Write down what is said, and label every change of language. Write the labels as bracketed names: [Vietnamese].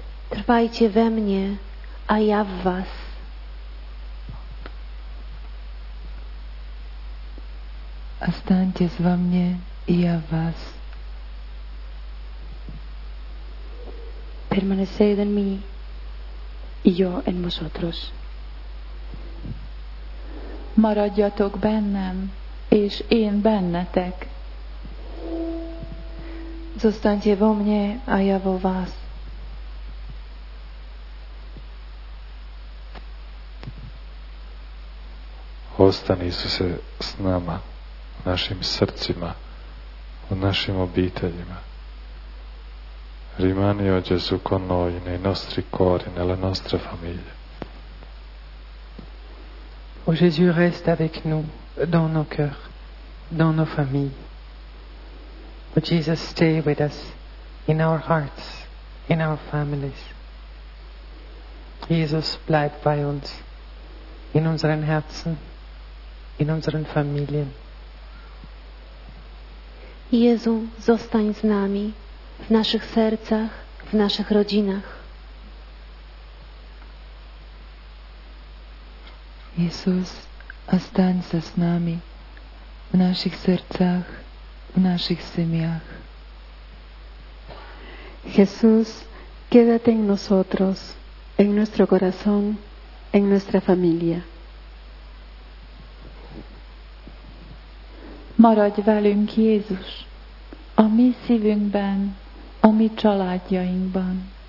[Polish] Trwajcie we mnie, a ja w was. [Russian] Останьтесь во мне, и я в вас. [Spanish] Permaneced en mí y yo en vosotros. [Hungarian] Maradjatok bennem és én bennetek. [Slovak] Zostaňte vo mne a ja vo vás. [Croatian] Ostani, Isuse, s nama, v našim srdcima, v našim obiteljima. [Italian] Rimani, o Gesù, con noi, nei nostri cuori, nella nostra famiglia. O Gesù, [French] resta avec nous, dans nos cœurs, dans nos familles. [English] O Jesus, stay with us, in our hearts, in our families. [German] Jesus, bleib bei uns, in unseren Herzen, in unseren Familien. [Polish] Jesu, zostań z nami. W naszych sercach, w naszych rodzinach. Jezus, zostań się z nami w naszych sercach, w naszych [Russian] семьях. [Spanish] Jezus, quédate en nosotros, en nuestro corazón, en nuestra familia. [Hungarian] Maradj velünk, Jézus, a mi szívünkben, a mi családjainkban.